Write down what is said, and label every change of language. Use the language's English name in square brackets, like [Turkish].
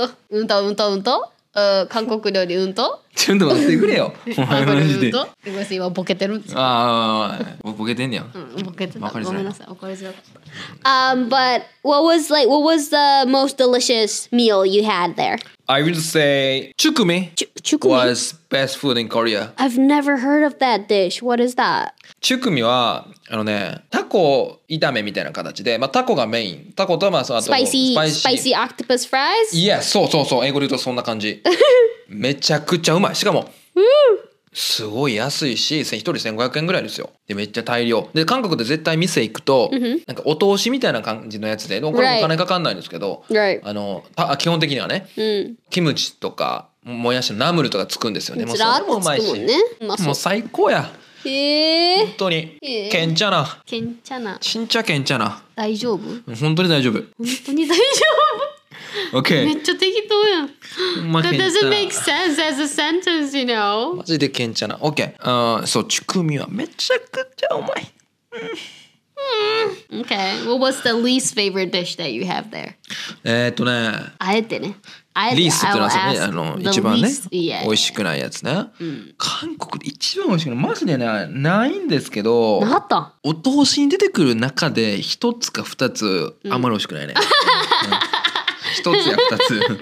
[Japanese] うんと韓国料理うんと？ちょっと待ってくれよ。韓国料理うんと？今ボケてるんですよ。ああ、ボケてんねや。うん、ボケてた。ごめんなさい、怒りづらかった。 [English] But what was the most delicious meal you had there? I would say chukumi. Chukumi was best food in Korea. I've never heard of that dish. What is that? [Japanese] Chukumi はあのね、タコ炒めみたいな形で、まあタコがメイン。タコとまあそのあと [English] スパイシー octopus fries。 [Japanese] いや、そうそうそう。英語で言うとそんな感じ。めちゃくちゃうまい。しかも。すごい安いし、1人1500円ぐらいですよ。で、めっちゃ大量。で、韓国で絶対店行くと、なんかお通しみたいな感じのやつで、お金かかんないんですけど、 [English] right. [Japanese] あの、基本的にはね、キムチとか、もやしのナムルとかつくんですよね。もうそれもうまいし。ね、もう最高や。本当に。けんちゃな。けんちゃな。ちんちゃけんちゃな。大丈夫？本当に大丈夫。本当に大丈夫。 [English] Okay. [Japanese] めっちゃ適当やん。 [English] That doesn't make sense as a sentence, you know? [Japanese] マジでケンチャな。OK。そう、チュクミはめちゃくちゃうまい。 [English] Okay. Well, what's the least favorite dish that you have there? [Japanese] ね、あえてね。 least ってのはさ、ね、あの一番ね、美味しくないやつね。韓国で一番美味しくない、マジでね、ないんですけど。なかった。お通しに出てくる中で一つか二つ、あまり美味しくないね。一つや二つ。